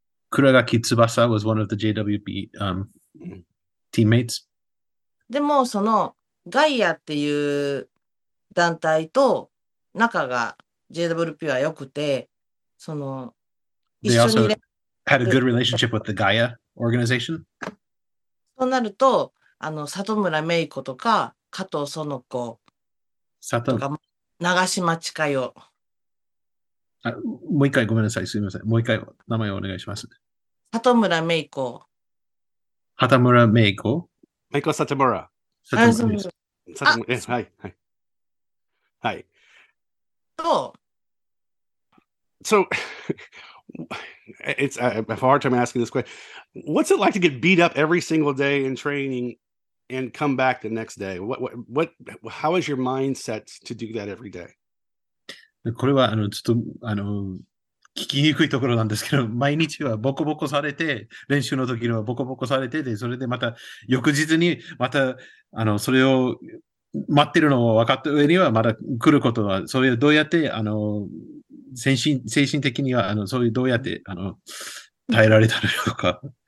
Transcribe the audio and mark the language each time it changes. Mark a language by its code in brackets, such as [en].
[en] 倉垣翼 was one of the JWP teammates. [ja] でも、その、ガイアっていう団体と、仲が JWP は良くて、その、一 [en] They [ja] 緒にね、 [en] had a good relationship with the Gaia organization. [ja] となると、里村芽衣子とか、加藤園子とか、長島千佳代。もう一回ごめんなさい。すみません。もう一回名前をお願いします。里村芽衣子。畑村芽衣子。メイコ・サタムラ。里村芽衣子。サタムラ、え、はい、はい。はい。 [en] So, it's I have a hard time asking this question. What's it like to get beat up every single day in training and come back the next day? How is your mindset to do that every day? [ja] これは、ちょっと、聞きにくいところなんですけど、毎日はボコボコされて、練習の時はボコボコされて、で、それでまた、翌日に、また、それを待ってるのを分かった上には、まだ来ることは、そういう、どうやって、精神的には、そういう、どうやって、耐えられたのか。